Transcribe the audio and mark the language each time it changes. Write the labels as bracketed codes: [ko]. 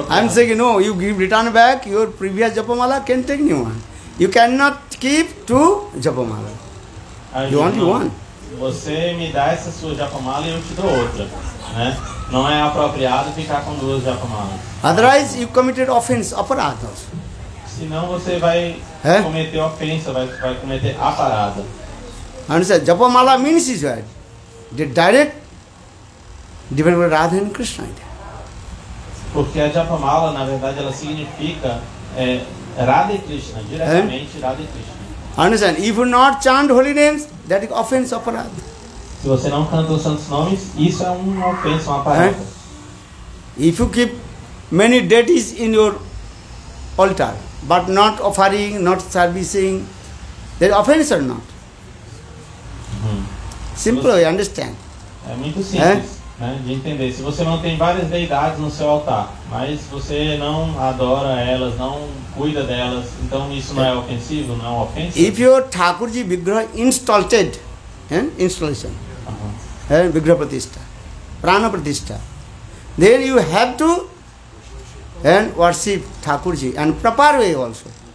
[en] I'm saying no, you give return back your previous japamala, can take new one. You cannot keep two japamala. You only one. [pt] Você me dá essa sua japamala e eu te dou outra. Não é apropriado ficar com duas japamalas. [en] Otherwise, you committed offense, aparado. [pt] Senão você vai cometer ofensa, vai cometer aparado. [en] Understand? Japamala means is what? The direct. [pt] Depende de Radha e Krishna. Porque a japamala, na verdade, ela significa Radha e Krishna, diretamente Radha e Krishna. [en] Understand? If you not chant holy names, that is offense of Radha. [pt] Se você não canta os santos nomes, isso é uma ofensa, uma aparência. [en] If you keep many deities in your altar, but not offering, not servicing, that offense or not? Simple, you understand? [pt] É muito simples. De entender, se você mantém várias deidades no seu altar, mas você não adora elas, não cuida delas, então isso não é ofensivo, não é uma ofensa? [en] If your Thakurji Vigraha installed, installation, Vigraha Pratishtha, Prana Pratishtha, then you have to worship Thakurji, and proper way also.